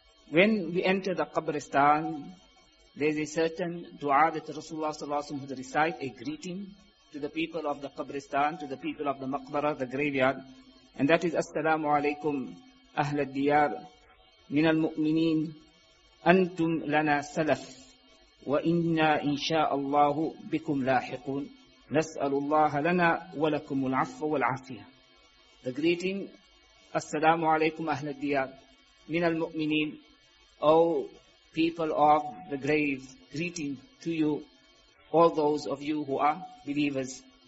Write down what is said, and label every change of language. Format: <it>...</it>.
<en>When we enter the qabristan, there is a certain dua that Rasulullah sallallahu alayhi wa sallam recite, a greeting to the people of the qabristan, to the people of the maqbara, the graveyard, and that is assalamu alaykum ahl al-diyar.</en> <ar>من المؤمنين أنتم لنا سلف وإنا إن شاء الله بكم لاحقون نسأل الله لنا ولكم العفو والعافية.</ar> <en>The greeting,</en> <ar>السلام عليكم أهل الديار. من المؤمنين,</ar> <en>oh people of the grave, greeting to you, all those of you who are believers.</en>